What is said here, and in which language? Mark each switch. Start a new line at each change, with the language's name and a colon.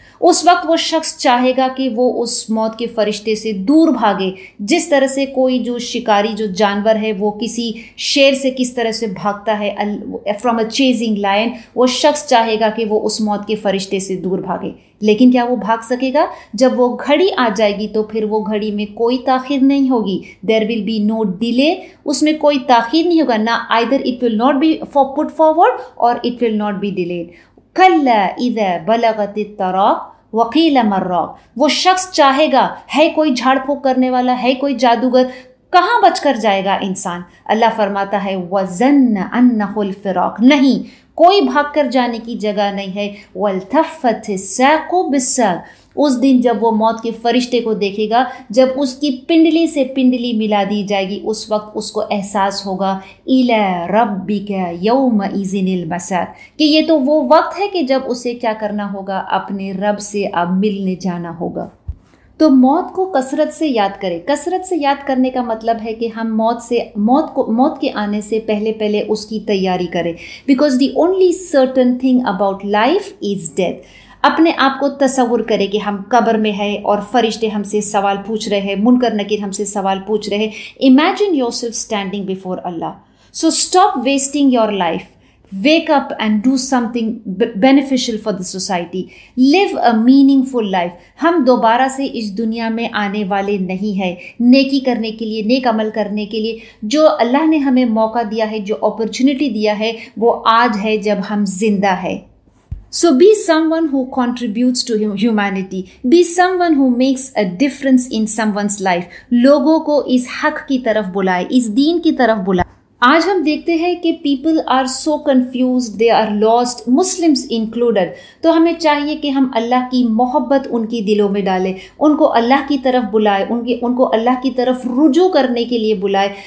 Urdu: اس وقت وہ شخص چاہے گا کہ وہ اس موت کے فرشتے سے دور بھاگے, جس طرح سے کوئی جو شکاری جو جانور ہے وہ کسی شیر سے کس طرح سے بھاگتا ہے,
English: from a chasing lion.
Urdu: وہ شخص چاہے گا کہ وہ اس موت کے فرشتے سے دور بھاگے, لیکن کیا وہ بھاگ سکے گا؟ جب وہ گھڑی آ جائے گی تو پھر وہ گھڑی میں کوئی تاخیر نہیں ہوگی.
English: There will be no delay.
Urdu: اس میں کوئی تاخیر نہیں ہوگا, نہ
English: either it will not be put forward or it will not be delayed.
Arabic: کلّا اذا بلغت التراق وقیل من راق.
Urdu: وہ شخص چاہے گا, ہے کوئی جھاڑ پھونک کرنے والا, ہے کوئی جادوگر, کہاں بچ کر جائے گا انسان؟ اللہ فرماتا ہے
Arabic: وزن انہ الفراق,
Urdu: نہیں کوئی بھاگ کر جانے کی جگہ نہیں ہے.
Arabic: والتفت الساق بالساق,
Urdu: اس دن جب وہ موت کے فرشتے کو دیکھے گا, جب اس کی پنڈلی سے پنڈلی ملا دی جائے گی, اس وقت اس کو احساس ہوگا
Arabic: الی ربک یوم اذن المساق,
Urdu: کہ یہ تو وہ وقت ہے کہ جب اسے کیا کرنا ہوگا, اپنے رب سے اب ملنے جانا ہوگا. تو موت کو کثرت سے یاد کرے. کثرت سے یاد کرنے کا مطلب ہے کہ ہم موت کے آنے سے پہلے پہلے اس کی تیاری کرے.
English: Because the only certain thing about life is death.
Urdu: اپنے آپ کو تصور کرے کہ ہم قبر میں ہے اور فرشتے ہم سے سوال پوچھ رہے ہیں, منکر نکیر ہم سے سوال پوچھ رہے.
English: Imagine yourself standing before Allah. So stop wasting your life, wake up and do something beneficial for the society, live a meaningful life.
Urdu: ہم دوبارہ سے اس دنیا میں آنے والے نہیں ہیں نیکی کرنے کے لیے, نیک عمل کرنے کے لیے. جو اللہ نے ہمیں موقع دیا ہے, جو opportunity دیا ہے, وہ آج ہے جب ہم زندہ ہے.
English: So be someone who contributes to humanity. Be someone who makes a difference in someone's life.
Urdu: لوگوں کو اس حق کی طرف بلائے, اس دین کی طرف بلائے. آج ہم دیکھتے ہیں کہ
English: People are so confused, they are lost, Muslims included.
Urdu: تو ہمیں چاہیے کہ ہم اللہ کی محبت ان کی دلوں میں ڈالیں, ان کو اللہ کی طرف بلائے, ان کو اللہ کی طرف رجوع کرنے کے لیے بلائے.